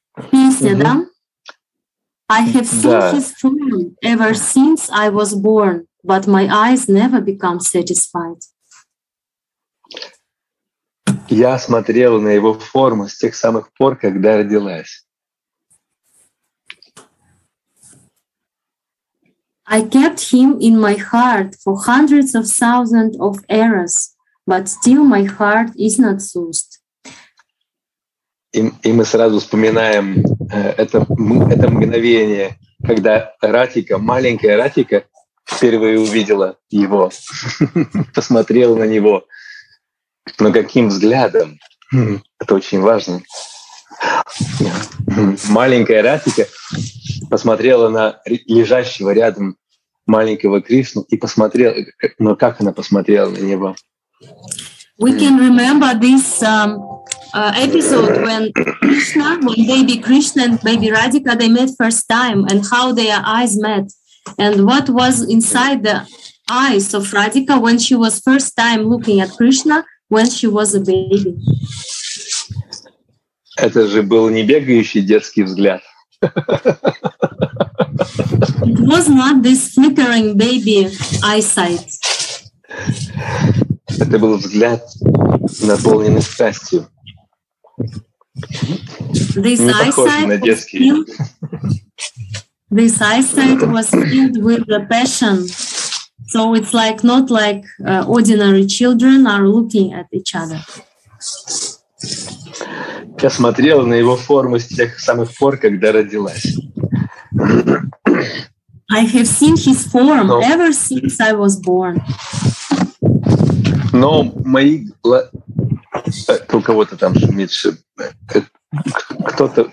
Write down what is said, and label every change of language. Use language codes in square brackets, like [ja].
[ru] Песня, угу. Да? [en] I have seen да. His form ever since I was born, but my eyes never become satisfied. [ru] Я смотрела на его форму с тех самых пор, когда родилась. [en] I kept him in my heart for hundreds of thousands of eras, but still my heart is not soothed. [ru] И мы сразу вспоминаем это мгновение, когда Радхика, маленькая Радхика, впервые увидела его, посмотрела на него. Но каким взглядом? Это очень важно. Маленькая Радхика посмотрела на лежащего рядом маленького Кришну и посмотрела, но как она посмотрела на него? [en] We can remember this episode when Krishna, when baby Krishna and baby Radhika, they met first time and how their eyes met and what was inside the eyes of Radhika when she was first time looking at Krishna. When she was a baby. [ru] Это же был не бегающий детский взгляд. [en] It was not this flickering baby eyesight. [ru] Это был взгляд, наполненный страстью. [en] This eyesight [ru] на детский. [en] This eyesight was filled with the passion. So it's like not like ordinary children are looking at each other. [ru] Я смотрела на его форму с тех самых пор, когда родилась. [en] I have seen his form ever since I was born. [ru] Но мои У кого-то там шумит. Кто-то...